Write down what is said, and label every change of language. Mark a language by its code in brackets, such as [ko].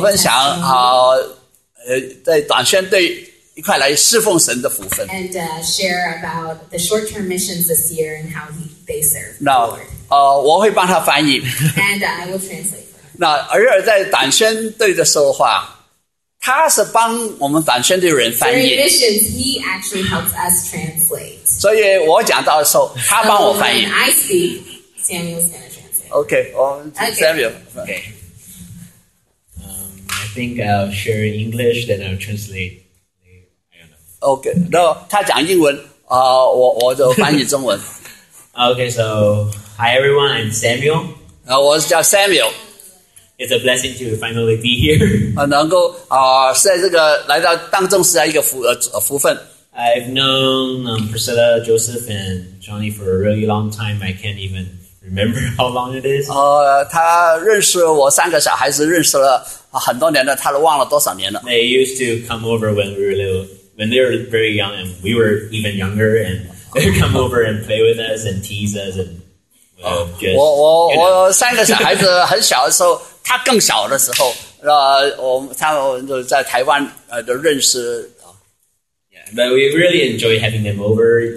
[zh] 分享在短宣队一块来侍奉神的福分。 [en] And share about the short-term missions this year and how they serve. [zh] 那我会帮他翻译。 [en] And I will translate. [zh] 那而尔在短宣队的说话，他是帮我们短宣队人翻译。 [en] So missions, he actually helps us translate. [zh] 所以我讲到的时候，他帮我翻译。 [en] Oh, I see. Samuel's going to translate. Okay, Samuel. Okay. I think I'll share English, then I'll translate. Okay, no, [zh] 他讲英文，我就翻译中文。 [en] Okay, so hi everyone, I'm Samuel. [zh] 我叫 Samuel. [en] It's a blessing to finally be here. [zh] 能够在这个来到当中是一个福分。 [en] I've known Priscilla, Joseph, and Johnny for a really long time. I can't even remember how long it is. [zh] 他认识我三个小孩子认识了很多年了，他都忘了多少年了。 [en] They used to come over when we were little, when they were very young, and we were even younger, and they would come over and play with us and tease us and. But we really enjoy having them over.